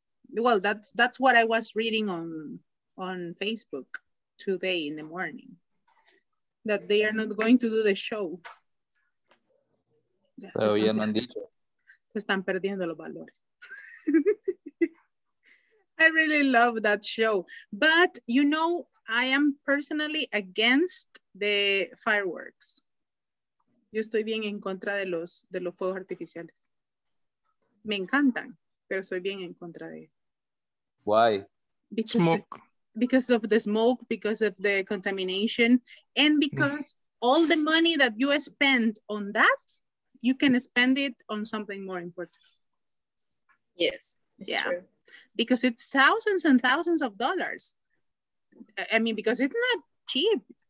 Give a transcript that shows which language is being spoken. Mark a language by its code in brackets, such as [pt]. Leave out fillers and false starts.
[en] Well, that's what I was reading on Facebook today in the morning, that they are not going to do the show. [es] Ya, pero ya no han dicho. Se están perdiendo los valores. [en] I really love that show. But, you know, I am personally against the fireworks. [es] Yo estoy bien en contra de los fuegos artificiales. Me encantan, pero soy bien en contra de ellos. [en] Why? Because, smoke. Because of the smoke, because of the contamination, and because all the money that you spend on that, you can spend it on something more important. Yes, it's true. Because it's thousands and thousands of dollars. I mean, because it's not cheap.